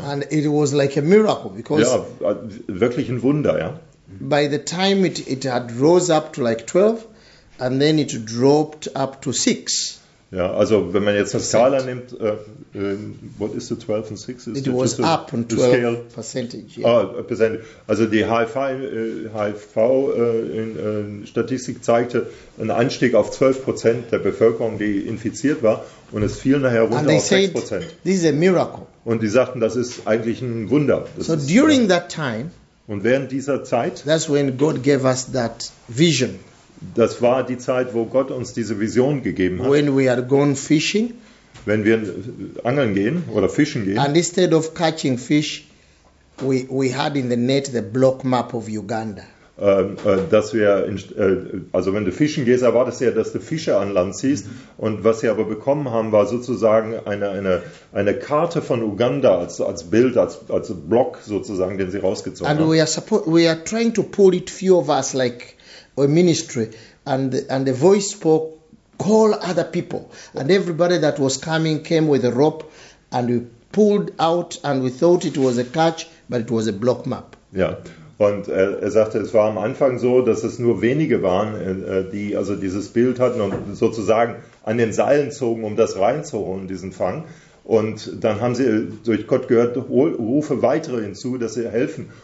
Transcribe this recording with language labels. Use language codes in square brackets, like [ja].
[de] Ja. [en] And it was like a miracle, because [de] ja, wirklich ein Wunder, ja. [en] By the time it had rose up to like 12 and then it dropped up to 6. [de] Ja, also wenn man jetzt die Skala nimmt, [en] what is the 12 and 6? It was up on 12%. Yeah. Ah, percentage. [de] Also die HIV-Statistik zeigte einen Anstieg auf 12% der Bevölkerung, die infiziert war, und es fiel nachher runter auf 6%. [en] This is a miracle. [de] Und die sagten, das ist eigentlich ein Wunder. Das [en] so [de] ist, [en] during that time, [de] und während dieser Zeit, [en] that's when God gave us that vision. [de] Das war die Zeit, wo Gott uns diese Vision gegeben hat. [en] When we are going fishing, [de] wenn wir angeln gehen oder fischen gehen. [en] And instead of catching fish, we had in the net the block map of Uganda. [de] dass wir, also wenn du fischen gehst, erwartest du ja, dass du Fische an Land siehst. Mhm. Und was sie aber bekommen haben, war sozusagen eine Karte von Uganda als Bild, als Block sozusagen, den sie rausgezogen [en] and [de] haben. [en] And we are trying to pull it, few of us, like a ministry, and the voice spoke, call other people. And everybody that was coming came with a rope, and we pulled out, and we thought it was a catch, but it was a block map. [de] Ja, und er sagte, es war am Anfang so, dass es nur wenige waren, die also dieses Bild hatten und sozusagen an den Seilen zogen, um das reinzuholen, diesen Fang. Und dann haben sie durch Gott gehört, rufe weitere hinzu, dass sie helfen.